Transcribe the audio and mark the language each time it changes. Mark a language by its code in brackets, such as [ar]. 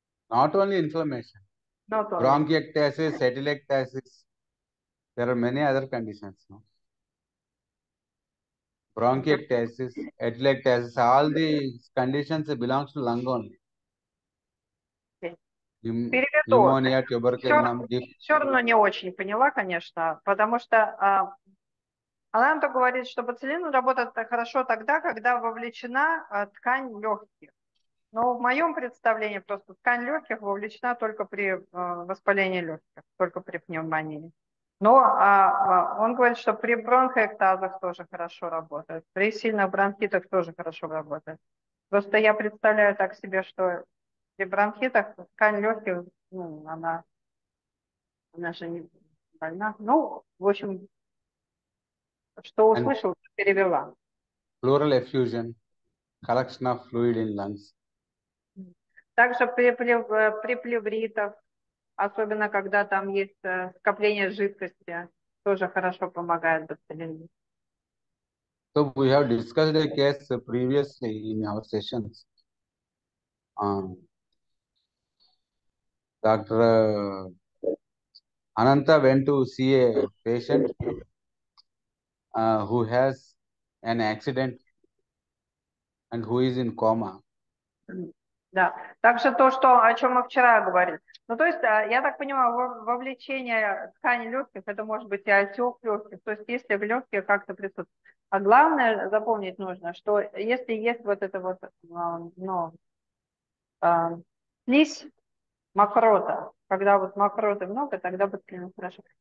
[en] Not only inflammation, Not only. bronchiectasis, atelectasis, there are many other conditions. No? Bronchiectasis, atelectasis, all these conditions belong to lung only. [ru] Переведу. Пневмония, туберкулином, диф. Все равно не очень поняла, конечно, потому что она нам то говорит, что бациллин работает хорошо тогда, когда вовлечена ткань легких. Но в моем представлении просто ткань легких вовлечена только при воспалении легких, только при пневмонии. Но он говорит, что при бронхоэктазах тоже хорошо работает, при сильных бронхитах тоже хорошо работает. Просто я представляю так себе, что при бронхитах ткань легких, ну, она же не больна. Ну, в общем, что [en] And [ru] услышал, перевела. [en] pleural effusion, collection of fluid in lungs. [ru] Также при плевритах, особенно когда там есть скопление жидкости, тоже хорошо помогает бациллин. [en] So we have discussed a case previously in our sessions. Dr. Ananta went to see a patient who has an accident and who is in coma. [ru] Да, также то, что о чем мы вчера говорили. Ну, то есть, я так понимаю, вовлечение ткани легких, это может быть и отек легких, то есть, если в легких как-то присутствует. А главное запомнить нужно, что если есть вот это вот, ну, слизь мокрота, когда вот мокроты много, тогда ботулизм хорошо.